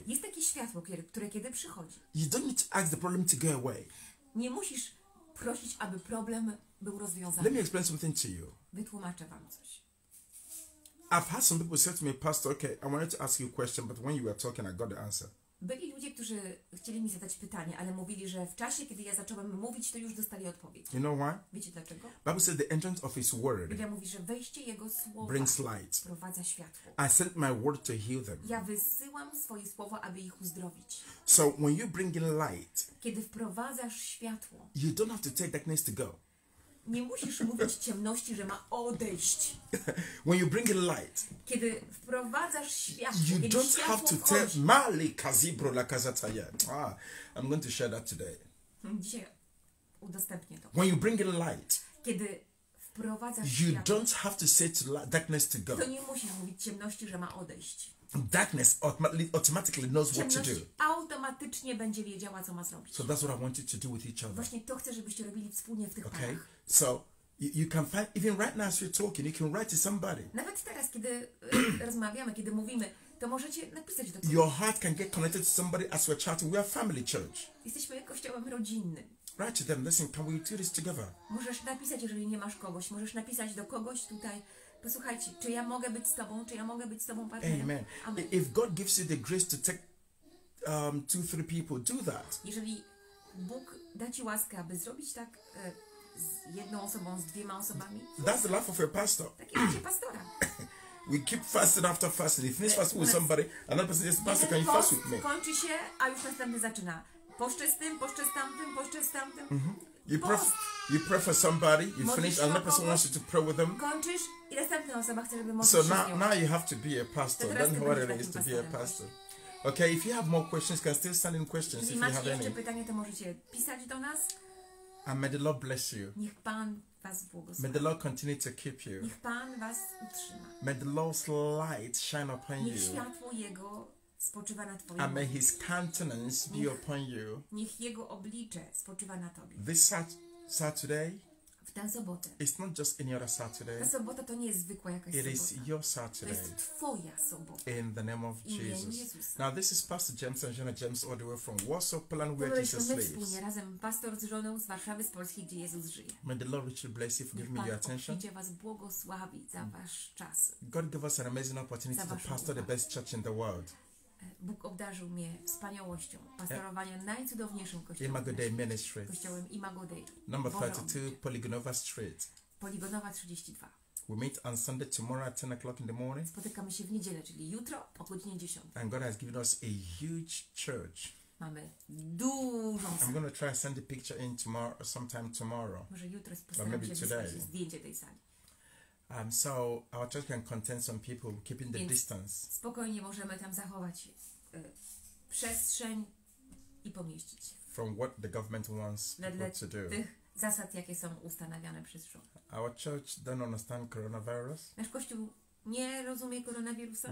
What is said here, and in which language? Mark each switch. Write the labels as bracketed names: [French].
[Polish] Jest takie światło, które kiedy przychodzi. [English] You don't need to ask the problem to go away. [Polish] Nie musisz prosić, aby problem był rozwiązany. [English] Let me explain something to you. [Polish] Wytłumaczę wam coś. [English] I've had some people say to me, Pastor, okay, I wanted to ask you a question, but when you were talking, I got the answer. [Polish] Byli ludzie, którzy chcieli mi zadać pytanie, ale mówili, że w czasie, kiedy ja zacząłem mówić, to już dostali odpowiedź. [English] You know why? [Polish] Wiecie dlaczego? [English] Bible said the entrance of his word. [Polish] Biblia mówi, że wejście jego słowa [English] brings light. [Polish] Wprowadza światło. [English] I sent my word to heal them. [Polish] Ja wysyłam swoje słowo, aby ich uzdrowić. [English] So when you bring in light, [Polish] kiedy wprowadzasz światło, [English] you don't have to take darkness to go. [Polish] Nie musisz mówić ciemności, że ma odejść. [English] When you bring in light, [Polish] kiedy wprowadzasz światło, [English] you don't [Polish] światło [English] have to tell Mali Kazibro la Kazataya. I'm going to share that today. [Polish] Dzisiaj udostępnię to. [English] When you bring in light, [Polish] kiedy wprowadzasz [English] you [Polish] światło, [English] don't have to say to darkness to go. [Polish] To nie musisz mówić ciemności, że ma odejść. [English] Darkness automatically knows what to do. [Polish] Automatycznie będzie wiedziała, co ma zrobić. [English] So that's what I wanted to do with each other. [Polish] Właśnie to chcę, żebyście robili wspólnie w tych okay? parach. [English] So you can find even right now as you're talking, you can write to somebody. [Polish] Nawet teraz, kiedy rozmawiamy, kiedy mówimy, to możecie napisać do kogoś. [English] Your heart can get connected to somebody as we're chatting. We are family church. [Polish] Jesteśmy kościołem rodzinnym. [English] Write to them. Listen, can we do this together? [Polish] Możesz napisać, jeżeli nie masz kogoś. Możesz napisać do kogoś tutaj. Posłuchajcie, czy ja mogę być z tobą, czy ja mogę być z tobą partnerem? Amen. Amen. [English] If God gives you the grace to take two, three people, do that. [Polish] Jeżeli Bóg da ci łaskę, aby zrobić tak z jedną osobą, z dwiema osobami. [English] That's the life of a pastor. [Polish] Takie życie pastora. [English] We keep fasting after fasting. If this fast with somebody, another person says, Pastor, can you fast with me? [Polish] Kończy się, a już następny zaczyna. Poszczę z tym, poszczę z tamtym, poszczę z tamtym. Mm-hmm. [English] You pray for somebody, you [Polish] modlisz [English] finish, another person wants you to pray with them. [Polish] Kończysz i następna osoba chce, żeby [English] so now you have to be a pastor. [Polish] To [English] don't know what it is to be a pastor. Okay, if you have more questions, you can still send in questions [Polish] jeżeli [English] if you have any. [Polish] Pytanie, to możecie pisać do nas. [English] And may the Lord bless you. [Polish] Niech Pan was błogosławi. [English] May the Lord continue to keep you. [Polish] Niech Pan was utrzyma. [English] May the Lord's light shine upon [Polish] niech [English] you. [Polish] Niech światło Jego spoczywa na twoim. [English] And may his countenance be upon you. [Polish] Niech jego oblicze spoczywa na tobie. [English] This Saturday. [Polish] W tę sobotę. [English] It's not just any other Saturday. [Polish] Ta sobota to nie jest zwykła jakaś [English] it [Polish] sobota. [English] It is your Saturday. [Polish] To jest twoja sobota. [English] In the name of Jesus. [Polish] Jezusa. [English] Now this is Pastor James and Jenna James all the way from Warsaw, Poland, where Jesus lives. [Polish] Byliśmy wspólnie razem pastor z żoną z Warszawy, z Polski, gdzie Jezus żyje. [English] May the Lord richly bless you for giving me your attention. [Polish] Niech was błogosławi za wasz czas. [English] God give us an amazing opportunity to pastor the best church in the world. [Polish] Bóg obdarzył mnie wspaniałością pastorowania najcudowniejszym kościołem. [English] Imago Dei Ministry. [Polish] Kościołem Imago Dei. [English] Number 32, Poligonowa Street. [Polish] Poligonowa 32. [English] We meet on Sunday tomorrow at 10:00 in the morning. [Polish] Spotykamy się w niedzielę, czyli jutro o godzinie 10. [English] And God has given us a huge church. [Polish] Mamy dużą. [English] I'm going to try to send a picture in tomorrow, sometime tomorrow. [Polish] Może jutro postaram się wysłać zdjęcie tej sali. [English] So our church can contain some people keeping the [Polish] więc [English] distance. [Polish] Spokojnie możemy tam zachować przestrzeń i pomieścić. [English] From what the government wants people to do. [Polish] Tych zasad, jakie są ustanawiane przez rząd. [English] Our church don't understand coronavirus. [Polish] Nasz kościół nie rozumie koronawirusa.